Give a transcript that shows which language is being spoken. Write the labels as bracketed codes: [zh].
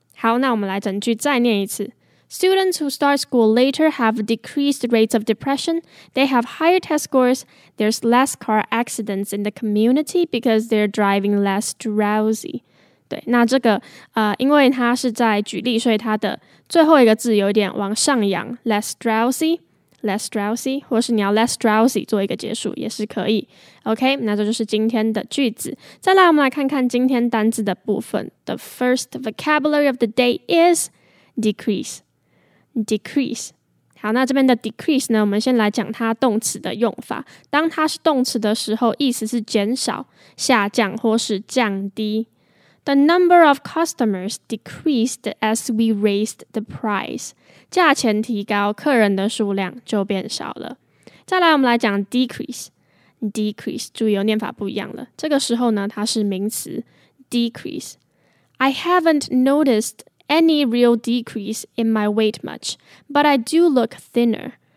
[zh] 好，那我们来整句再念一次。 [en] Students who start school later have decreased rates of depression. They have higher test scores. There's less car accidents in the community because they're driving less drowsy. [zh] 对，那这个因为它是在举例，所以它的最后一个字有点往上扬 ， [en] less drowsy。 Less drowsy, [zh] 或是你要 [en] less drowsy [zh] 做一个结束也是可以。 OK, 那这就是今天的句子。再来我们来看看今天单字的部分。 [en] The first vocabulary of the day is decrease. [zh] Decrease. 好，那这边的 decrease 呢，我们先来讲它动词的用法。当它是动词的时候，意思是减少、下降或是降低。 [en] The number of customers decreased as we raised the price. [zh] 价钱提高，客人的数量就变少了。再来我们来讲 decrease. Decrease, 注意有念法不一样了。这个时候呢，它是名词 D decrease. [en] I haven't noticed any real decrease in my weight much, but I do look thinner.